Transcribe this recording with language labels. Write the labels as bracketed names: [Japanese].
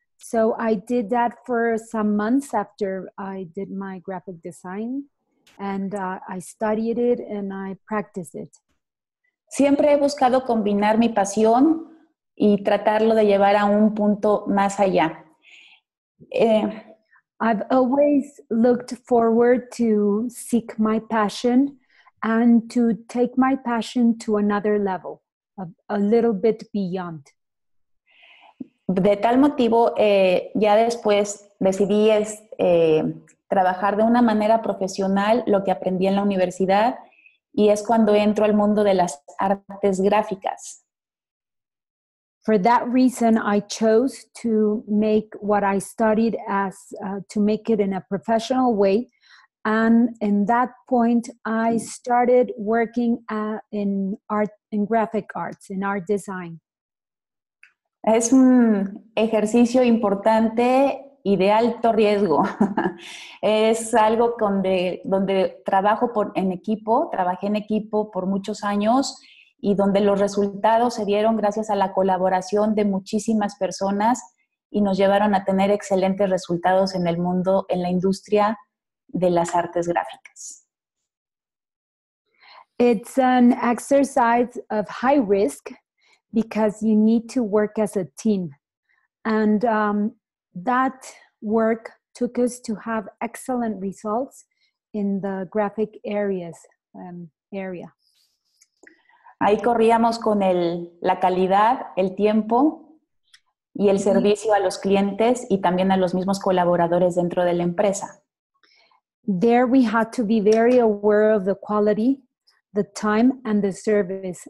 [English] So I did that for some months after I did my graphic design, and I studied it and I practiced it. [Spanish] Siempre he buscado combinar mi pasión y tratarlo de llevar a un punto más allá. [English] I've always looked forward to seek my passion and to take my passion to another level, a little bit beyond. [Spanish] De tal motivo, ya después decidí trabajar de una manera profesional lo que aprendí en la universidad, y es cuando entro al mundo de las artes gráficas. [English] For that reason, I chose to make what I studied as to make it in a professional way. And in that point, I started working in art, in graphic arts, in art design. [Spanish] Es un ejercicio importante y de alto riesgo. Es algo donde trabajo trabajé en equipo por muchos años, y donde los resultados se dieron gracias a la colaboración de muchísimas personas y nos llevaron a tener excelentes resultados en el mundo, en la industria de las artes gráficas. [English] It's an exercise of high risk because you need to work as a team. And that work took us to have excellent results in the graphic areas area. [Spanish] Ahí corríamos con la calidad, el tiempo y el servicio a los clientes y también a los mismos colaboradores dentro de la empresa. [English] There we had to be very aware of the quality, the time and the service.